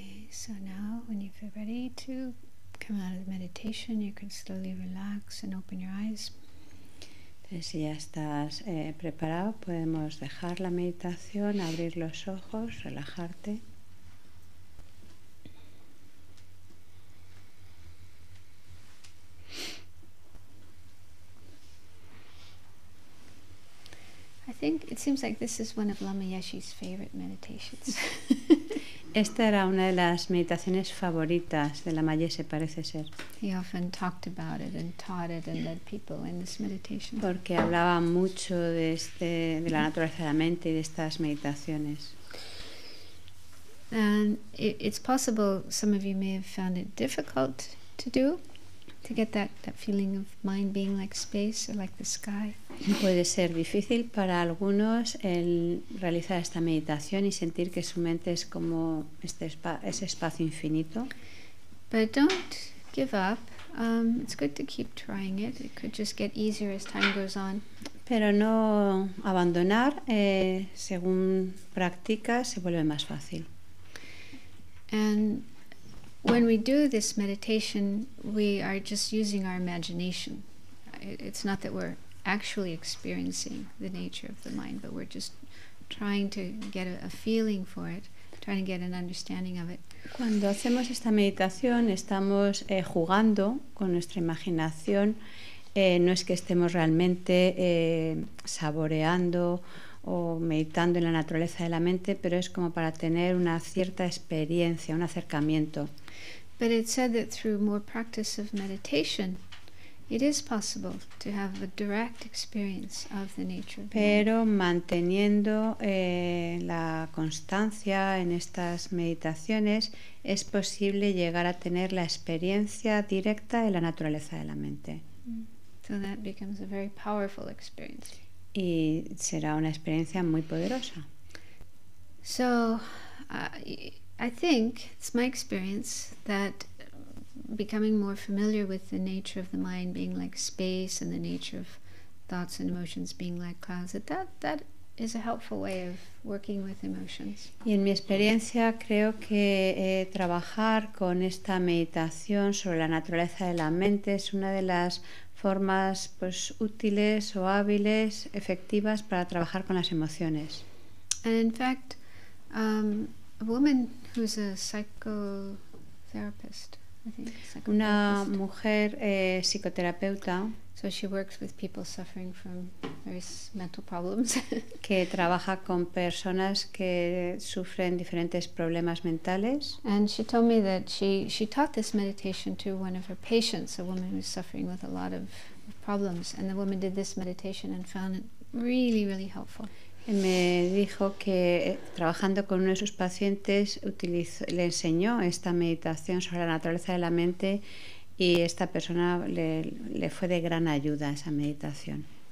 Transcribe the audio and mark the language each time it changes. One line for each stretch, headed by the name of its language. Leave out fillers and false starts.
English: So now, when you feel ready to come out of the meditation, you can slowly relax and open your eyes.
Spanish: Entonces, si ya estás preparado, podemos dejar la meditación, abrir los ojos, relajarte.
English: I think it seems like this is one of Lama Yeshe's favorite meditations.
Spanish: Esta era una de las meditaciones favoritas de Lama Yeshe, parece ser.
English: He often talked about it and taught it and led people in this meditation.
Spanish: Porque hablaba mucho de la naturaleza de la mente y de estas meditaciones.
English: And it's possible some of you may have found it difficult to do. to get that feeling of mind being like space or like the sky.
Spanish: Puede ser difícil para algunos el realizar esta meditación y sentir que su mente es como ese espacio infinito.
English: But don't give up. It's good to keep trying it. It could just get easier as time goes on.
Spanish: Pero no abandonar, según practica, se vuelve más fácil.
English: And when we do this meditation, we are just using our imagination. It's not that we're actually experiencing the nature of the mind, but we're just trying to get a feeling for it, trying to get an understanding of it.
Spanish: Cuando hacemos esta meditación, estamos jugando con nuestra imaginación. No es que estemos realmente saboreando o meditando en la naturaleza de la mente, pero es como para tener una cierta experiencia, un acercamiento.
English: But it said that through more practice of meditation, it is possible to have a direct experience of the nature.
Spanish: Pero manteniendo la constancia en estas meditaciones, es posible llegar a tener la experiencia directa de la naturaleza de la mente.
English: So that becomes a very powerful experience.
Spanish: Y será una experiencia muy poderosa.
English: So, I think it's my experience that becoming more familiar with the nature of the mind being like space and the nature of thoughts and emotions being like clouds, that is a helpful way of working with emotions.
Spanish: Y en mi experiencia creo que trabajar con esta meditación sobre la naturaleza de la mente es una de las formas pues útiles o hábiles efectivas para trabajar con las emociones.
English: And in fact, a woman who's a psychotherapist, I think. Psychotherapist.
Spanish: Una mujer psicoterapeuta.
English: So she works with people suffering from various mental problems.
Spanish: Que trabaja con personas que sufren diferentes problemas mentales.
English: And she told me that she taught this meditation to one of her patients, a woman who's suffering with a lot of problems. And the woman did this meditation and found it really, really helpful.
Spanish: Me dijo que trabajando con uno de sus pacientes le enseñó esta meditación sobre la naturaleza de la mente y esta persona le fue de gran ayuda esa meditación.